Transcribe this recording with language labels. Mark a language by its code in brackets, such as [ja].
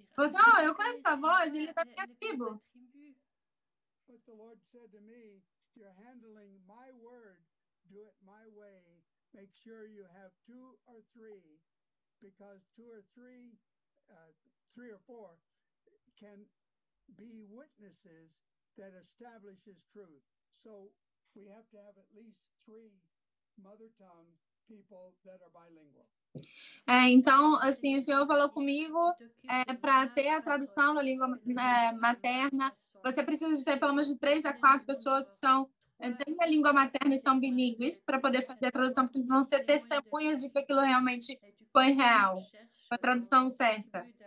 [pt] Você, eu conheço a voz, ele é da minha tribo. [en] But the Lord said to me, you're handling my word, do it my way. Make sure you have two or three, because two or three, three or four, can be witnesses that establishes truth. So we have to have at least three mother tongue people that are bilingual. [pt] Então, assim, o senhor falou comigo, para ter a tradução na língua materna, você precisa de ter pelo menos 3 a 4 pessoas que são têm a língua materna e são bilíngues para poder fazer a tradução, porque eles vão ser testemunhas de que aquilo realmente foi real, a tradução certa.